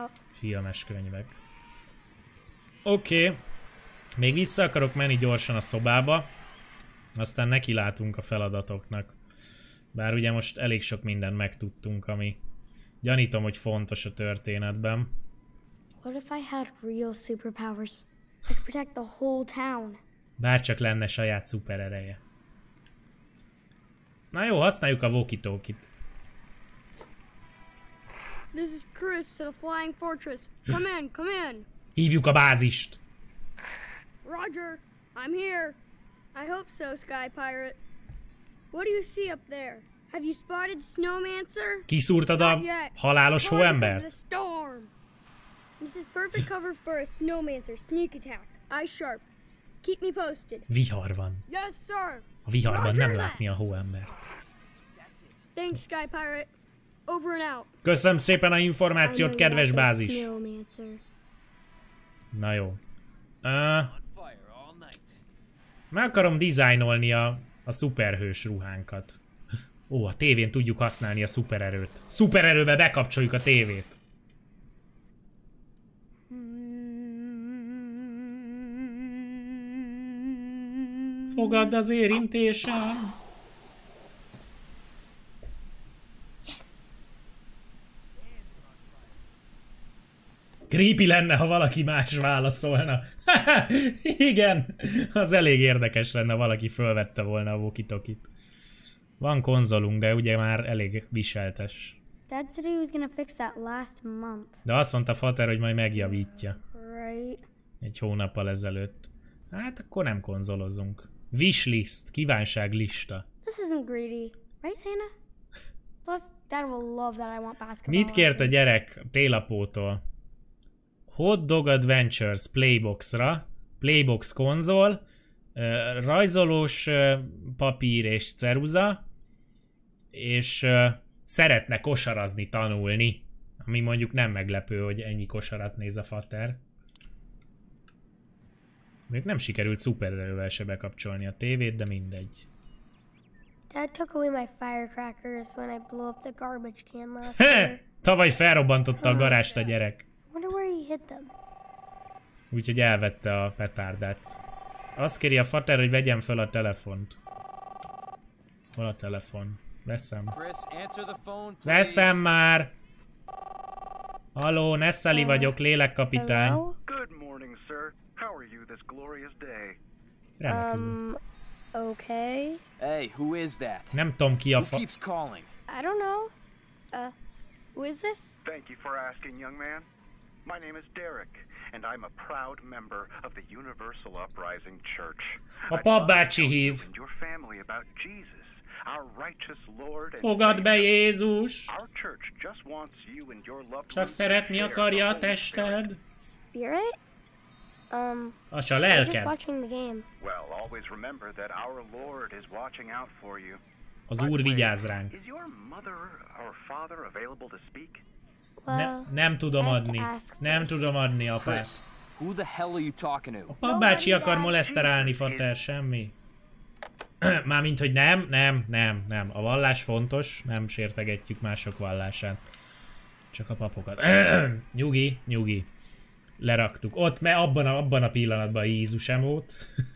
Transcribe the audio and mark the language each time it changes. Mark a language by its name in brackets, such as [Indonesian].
[Hungarian] Filmes könyvek. Oké. Még vissza akarok menni gyorsan a szobába. Aztán nekilátunk a feladatoknak. Bár ugye most elég sok mindent megtudtunk, ami gyanítom, hogy fontos a történetben. [English] What if I had real superpowers? I could protect the whole town. [Hungarian] Bárcsak lenne saját szuperereje. Na jó, használjuk a walkie-talkie-t. [English] This is Chris to the Flying Fortress. Come in, come in. [Hungarian] Hívjuk a bázist. [English] Roger, I'm here. I hope so, Sky Pirate. What do you see up there? Have you spotted Snowmancer? [Hungarian] Kiszúrtad a halálos hóembert? [English] The storm. This is perfect cover for a Snowmancer sneak attack. Eye sharp. Keep me posted. [Hungarian] Vihar van. [English] Yes, sir. [Hungarian] A viharban nem látni a hóembert. [English] Thanks, Sky Pirate. Over and out. [Hungarian] Köszönöm szépen a információt, kedves bázis. Na jó. Meg akarom dizájnolni a szuperhős ruhánkat. Ó, a tévén tudjuk használni a szupererőt. Szupererővel bekapcsoljuk a tévét. Fogadd az érintésem. Creepy lenne, ha valaki más válaszolna. Igen, az elég érdekes lenne, ha valaki fölvette volna a walkie-talkie-t. Van konzolunk, de ugye már elég viseltes. [English] Dad said he was gonna fix that last month. [Hungarian] De azt mondta Fater, hogy majd megjavítja. [English] Right. [Hungarian] Egy hónappal ezelőtt. Hát akkor nem konzolozunk. Wish list, kívánság lista. [English] This isn't greedy, right, Santa? Plus, Dad will love that I want basketball. [Hungarian] Mit kért a gyerek télapótól? Hot Dog Adventures Playbox-ra, Playbox konzol, rajzolós papír és ceruza, és szeretne kosarazni, tanulni. Ami mondjuk nem meglepő, hogy ennyi kosarat néz a fater. Még nem sikerült szupererővel se bekapcsolni a tévét, de mindegy. [English] Dad took away my firecrackers when I blew up the garbage can last year. [Hungarian] Tavaly felrobbantotta a garást a gyerek. [English] Where he hit them. [Hungarian] Úgyhogy elvette a petárdát. Azt kéri a fater, hogy vegyem föl a telefont. Hol a telefon? Veszem. [English] Chris, answer the phone, please. [Hungarian] Veszem már! Halló, Nessali vagyok, lélekkapitány. [English] Good morning, sir. How are you this glorious day? Okay. Hey, who is that? [Hungarian] Nem tudom, ki a fa... [English] Who keeps calling? I don't know. Who is this? Thank you for asking, young man. My name is Derek, and I'm a proud member of the Universal Uprising Church. [Hungarian] A papbácsi hív. [English] And your family about Jesus, our righteous Lord. [Hungarian] Fogadd be Jézus. [English] Our church just wants you and your loved [Hungarian] ones. Csak szeretni akarja a tested. [English] Spirit? [Hungarian] Az a lelked. [English] Just watching the game. Well, always remember that our Lord is watching out for you. [Hungarian] Az Úr vigyáz ránk. [English] Is your mother or father available to speak? [Hungarian] Nem tudom adni apát. [English] Who the hell are you talking to? [Hungarian] A papbácsi akar moleszterálni, fater, semmi. Mármint, hogy nem. A vallás fontos, nem sértegetjük mások vallását. Csak a papokat. Nyugi. leraktuk. Ott, mert abban a pillanatban Jézusem volt.